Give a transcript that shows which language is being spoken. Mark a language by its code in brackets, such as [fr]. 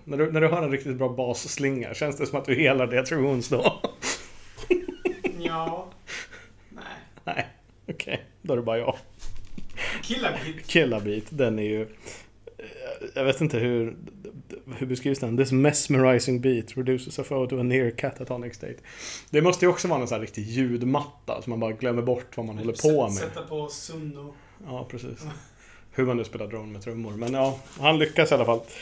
[sv] När du har en riktigt bra basslinga, känns det som att du helar det tror hon då? Ja. Nej. Nej. Okej, okay. Då är det bara jag. Killabit, den är ju... Jag vet inte hur beskrivs den. [en] This mesmerizing beat reduces a foe to a near catatonic state. [sv] Det måste ju också vara en sån här riktig ljudmatta som man bara glömmer bort vad man håller på med. Sätta på sundo. Ja, precis. hur man nu spelar drone med trummor. Men ja, han lyckas i alla fall.